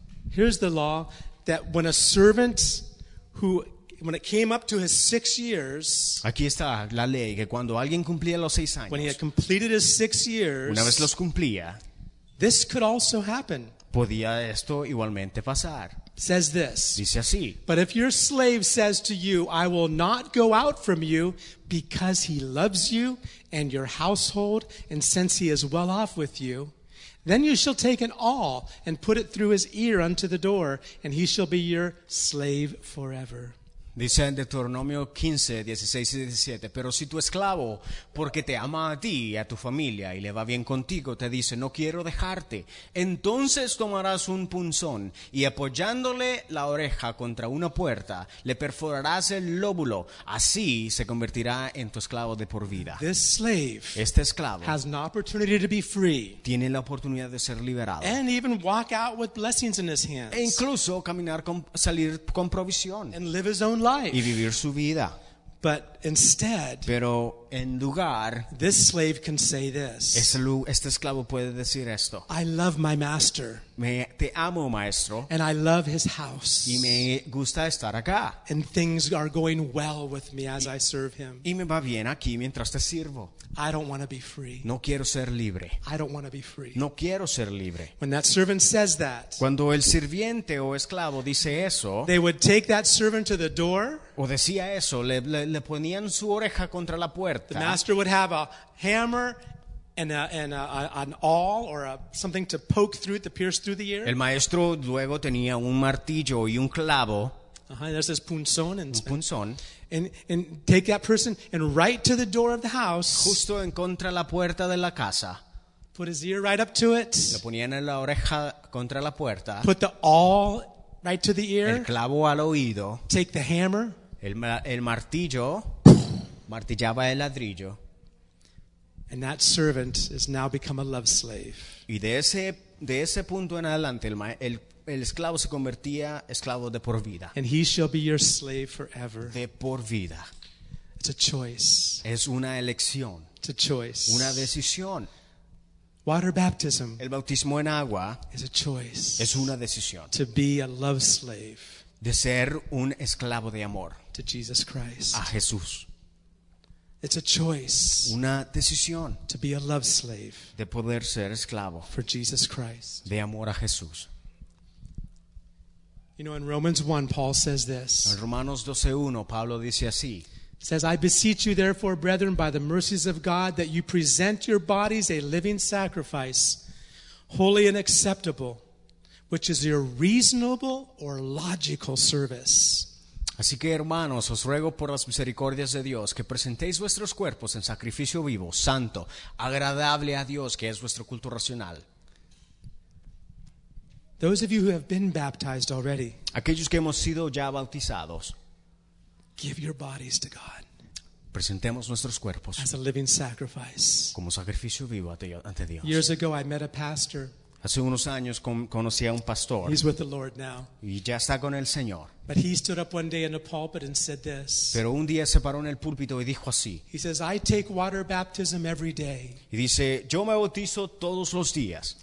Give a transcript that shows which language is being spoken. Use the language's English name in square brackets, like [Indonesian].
[English] Here's the law that when a servant who when it came up to his 6 years, [Spanish] aquí está la ley que cuando alguien cumplía los 6 años, [English] when he had completed his 6 years, [Spanish] una vez los cumplía, [English] this could also happen. [Spanish] Podía esto igualmente pasar. [English] Says this. [Spanish] Dice así. [English] But if your slave says to you, I will not go out from you because he loves you and your household and since he is well off with you, then you shall take an awl and put it through his ear unto the door and he shall be your slave forever. [Spanish] Dice en Deuteronomio 15, 16 y 17, pero si tu esclavo, porque te ama a ti y a tu familia y le va bien contigo, te dice, no quiero dejarte, entonces tomarás un punzón y apoyándole la oreja contra una puerta, le perforarás el lóbulo, así se convertirá en tu esclavo de por vida. [English] This slave, [Spanish] este esclavo, [English] has an opportunity to be free, [Spanish] tiene la oportunidad de ser liberado, [English] and even walk out with blessings in his hands, [Spanish] e incluso caminar con, salir con provisión, [English] and live his own life. [Spanish] Y vivir su vida. [English] But instead, [Spanish] pero en lugar, [English] this slave can say this. [Spanish] Este esclavo puede decir esto. [English] I love my master. [Spanish] Te amo, maestro. [English] And I love his house. [Spanish] Y me gusta estar acá. [English] And things are going well with me as I serve him. [Spanish] Y me va bien aquí mientras te sirvo. [English] I don't want to be free. [Spanish] No quiero ser libre. [English] I don't want to be free. [Spanish] No quiero ser libre. [English] When that servant says that, [Spanish] cuando el sirviente o esclavo dice eso, [English] they would take that servant to the door. [Spanish] O decía eso, le ponían su oreja contra la puerta. [English] The master would have a hammer and an awl or something to poke through it, to pierce through the ear. [Spanish] El maestro luego tenía un martillo y un clavo. [English] Uh-huh, there's this punzón. [Spanish] Un punzón. [English] And take that person and right to the door of the house. [Spanish] Justo en contra la puerta de la casa. [English] Put his ear right up to it. [Spanish] Le ponían la oreja contra la puerta. [English] Put the awl right to the ear. [Spanish] El clavo al oído. [English] Take the hammer. [Spanish] El martillo. Martillaba el ladrillo. [English] And that servant has now become a love slave. [Spanish] Y de ese punto en adelante el esclavo se convertía esclavo de por vida. [English] And he shall be your slave forever. [Spanish] De por vida. [English] It's a choice. [Spanish] Es una elección. [English] It's a choice. [Spanish] Una decisión. [English] Water baptism. [Spanish] El bautismo en agua. [English] Is a choice. [Spanish] Es una decisión. [English] To be a love slave. [Spanish] De ser un esclavo de amor. [English] To Jesus Christ. [Spanish] A Jesús. [English] It's a choice. [Spanish] Una decisión. [English] To be a love slave. [Spanish] De poder ser esclavo. [English] For Jesus Christ. [Spanish] De amor a Jesús. [English] You know, in Romans 1, Paul says this. [Spanish] En Romanos 12:1, Pablo dice así. [English] It says, I beseech you therefore, brethren, by the mercies of God, that you present your bodies a living sacrifice, holy and acceptable, which is your reasonable or logical service. [Spanish] Así que, hermanos, os ruego por las misericordias de Dios que presentéis vuestros cuerpos en sacrificio vivo, santo, agradable a Dios, que es vuestro culto racional. [English] Those of you who have been baptized already, [Spanish] aquellos que hemos sido ya bautizados, [English] give your bodies to God. [Spanish] Presentemos nuestros cuerpos [English] as a living sacrifice. [Spanish] Como sacrificio vivo ante Dios. [English] Years ago, I met a pastor. [Spanish] Hace unos años conocí a un pastor. [English] He's with the Lord now. [Spanish] Y ya está con el Señor. [English] But he stood up one day in the pulpit and said this. [Spanish] Pero un día se paró en el púlpito y dijo así. [English] He says, I take water baptism every day. [Spanish] Y dice, yo me bautizo todos los días.